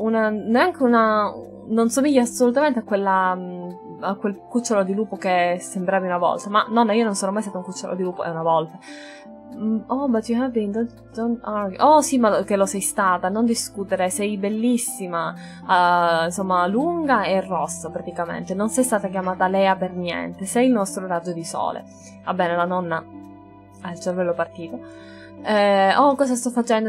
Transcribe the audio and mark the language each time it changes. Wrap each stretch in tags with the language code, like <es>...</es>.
<it>neanche una... non somiglia assolutamente a quella a quel cucciolo di lupo che sembravi una volta. Ma nonna, io non sono mai stata un cucciolo di lupo, è una volta.</it> <en>Oh, but you have been, don't argue.</en> <it>Oh, sì, ma che lo sei stata, non discutere, sei bellissima, insomma, lunga e rossa, praticamente. Non sei stata chiamata Lea per niente, sei il nostro raggio di sole. Va bene, la nonna ha il cervello partito. Oh, cosa sto facendo?</it>